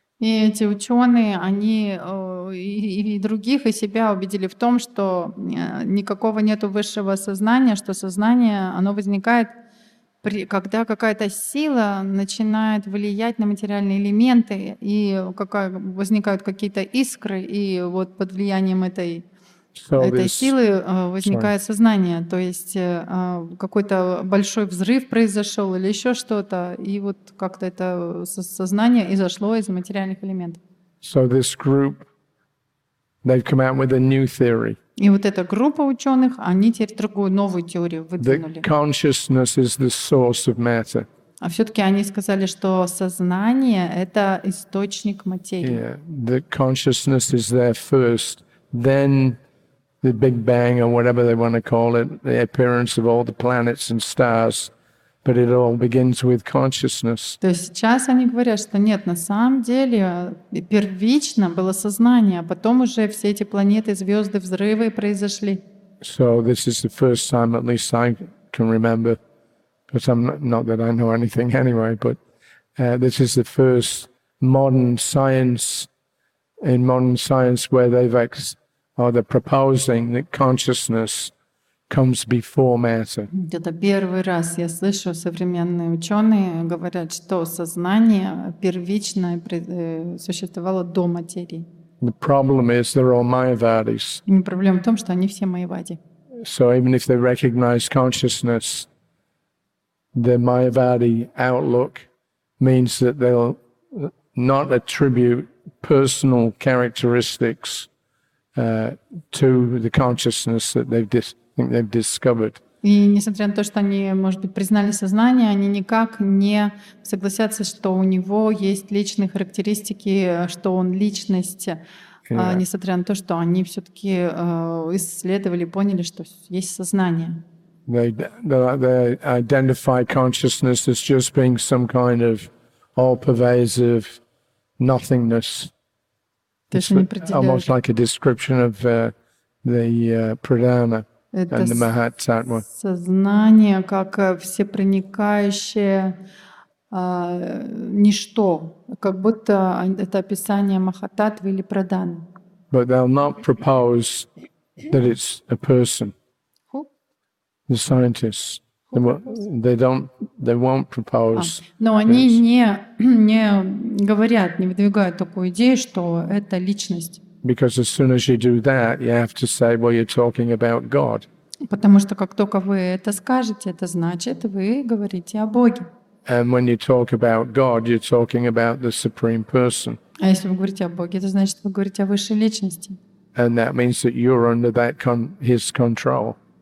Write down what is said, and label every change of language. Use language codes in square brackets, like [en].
[ru] И эти ученые, они и других, и себя убедили в том, что никакого нету высшего сознания, что сознание, оно возникает, когда какая-то сила начинает влиять на материальные элементы, и возникают какие-то искры, и вот под влиянием этой силы возникает сознание. То есть какой-то большой взрыв произошел или еще что-то, и вот как-то это сознание изошло из материальных элементов. [en] So this group, they've come out with a new theory. [ru] И вот эта группа ученых, они теперь другую, новую теорию выдвинули. [en] That consciousness is the source of matter. [ru] А все-таки они сказали, что сознание — это источник материи. [en] Yeah, the consciousness is there first, then the Big Bang, or whatever they want to call it, the appearance of all the planets and stars, but it all begins with consciousness. [ru] То есть сейчас они говорят, что нет, на самом деле первично было сознание, а потом уже все эти планеты, звезды, взрывы произошли. [en] So this is the first time, at least I can remember, because I'm not that I know anything anyway, but this is the first modern science where they've or the proposing that consciousness comes before matter. [ru] Это первый раз я слышу, современные ученые говорят, что сознание первичное существовало до материи. [en] The problem is they're all Mayavadis. [ru] Проблема в том, что они все Майявади. [en] So even if they recognize consciousness, the Mayavadi outlook means that they'll not attribute personal characteristics to the consciousness that they've discovered. [ru] И несмотря на то, что они, может быть, признали сознание, они никак не согласятся, что у него есть личные характеристики, что он личность. [en] Yeah. [ru] Несмотря на то, что они все-таки исследовали, поняли, что есть сознание. [en] They identify consciousness as just being some kind of all-pervasive nothingness. It's almost like a description of the pradhana and the mahatsattva. [ru] Сознание как всепроникающее ничто, как будто это описание махататвы или прадан. [en] But they'll not propose that it's a person. Who? The scientists. They won't propose. [ru] Но они не говорят, не выдвигают такую идею, что это личность. [en] Because as soon as you do that, you have to say, well, you're talking about God. [ru] Потому что как только вы это скажете, это значит, вы говорите о Боге. [en] And when you talk about God, you're talking about the Supreme Person. [ru] А если вы говорите о Боге, это значит, вы говорите о высшей личности. [en] And that means that you're under that His control.